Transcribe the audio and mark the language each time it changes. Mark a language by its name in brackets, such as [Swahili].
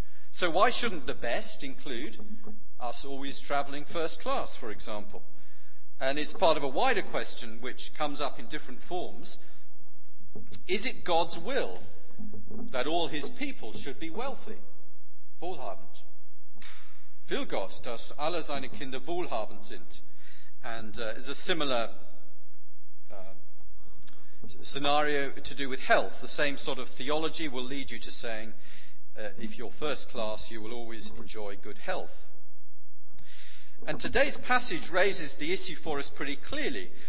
[English] So why shouldn't the best include us always travelling first class, for example? And it's part of a wider question which comes up in different forms. Is it God's will that all his people should be wealthy? [German] Wohlhabend. Will Gott, dass alle seine Kinder wohlhabend sind? [English] And it's a similar scenario to do with health. The same sort of theology will lead you to saying, if you're first class, you will always enjoy good health. And today's passage raises the issue for us pretty clearly.